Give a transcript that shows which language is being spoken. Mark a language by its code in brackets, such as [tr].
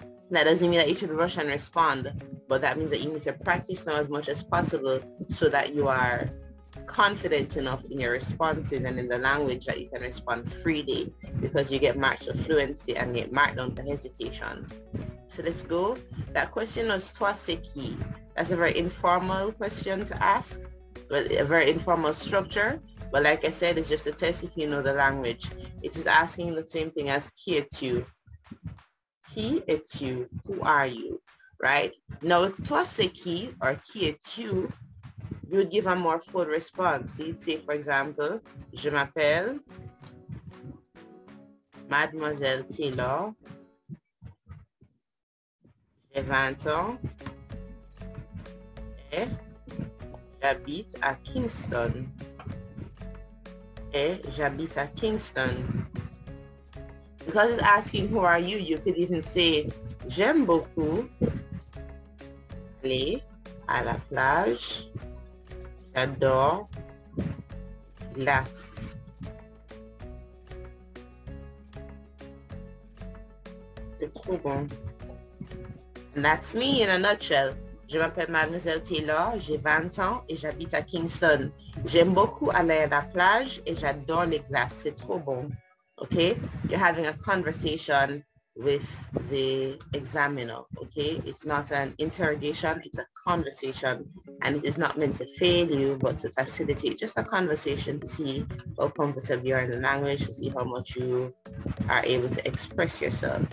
[en] That doesn't mean that you should rush and respond, but that means that you need to practice now as much as possible so that you are confident enough in your responses and in the language that you can respond freely, because you get marked for fluency and get marked down for hesitation. So let's go. That question was, [fr] toi c'est qui? [en] That's a very informal question to ask, but a very informal structure. But like I said, it's just a test if you know the language. It is asking the same thing as [fr] qui es-tu? Qui es-tu? [en] Who are you? Right? Now, [fr] toi c'est qui [en] or [fr] qui es-tu? [en] You would give a more full response. So you'd say, for example, [fr] je m'appelle Mademoiselle Taylor, j'ai 20 ans, et j'habite à Kingston. Et j'habite à Kingston. [en] Because it's asking who are you, you could even say, [fr] j'aime beaucoup aller à la plage. J'adore glace. C'est trop bon. [en] And that's me in a nutshell. [fr] Je m'appelle Mademoiselle Taylor, j'ai 20 ans et j'habite à Kingston. J'aime beaucoup aller à la plage et j'adore les glaces, c'est trop bon. [en] OK? You're having a conversation with the examiner, OK? It's not an interrogation, it's a conversation. And it is not meant to fail you, but to facilitate just a conversation to see how comfortable you are in the language, to see how much you are able to express yourself.